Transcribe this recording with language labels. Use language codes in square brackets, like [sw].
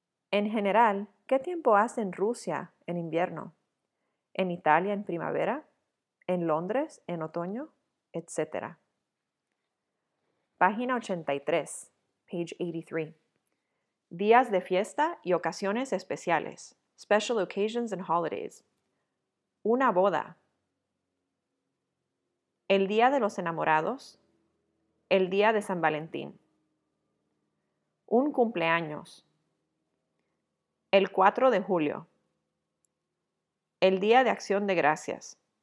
[es] En general, ¿qué tiempo hace en Rusia en invierno? En Italia en primavera, en Londres en otoño, etc. Página 83, [en] page 83. [es] Días de fiesta y ocasiones especiales. [en] Special occasions and holidays. [es] Una boda. El día de los enamorados. El día de San Valentín. Un cumpleaños. El 4 de julio. El Día de Acción de Gracias.